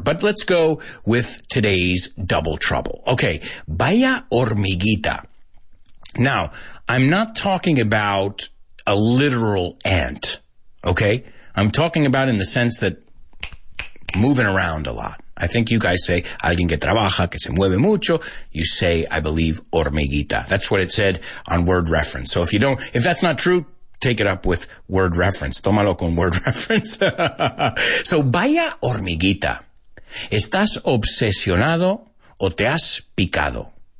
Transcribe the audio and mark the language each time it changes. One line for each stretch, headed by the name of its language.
English: But let's go with today's double trouble. Okay,
Spanish: vaya hormiguita.
English: Now, I'm not talking about a literal ant, okay? I'm talking about in the sense that moving around a lot. I think you guys say,
Spanish: alguien que trabaja, que se mueve mucho.
English: You say, I believe, hormiguita. That's what it said on Word Reference. So if you don't, if that's not true, take it up with Word Reference.
Spanish: Tómalo con Word Reference.
English: So
Spanish: vaya hormiguita. ¿Estás obsesionado o te has picado?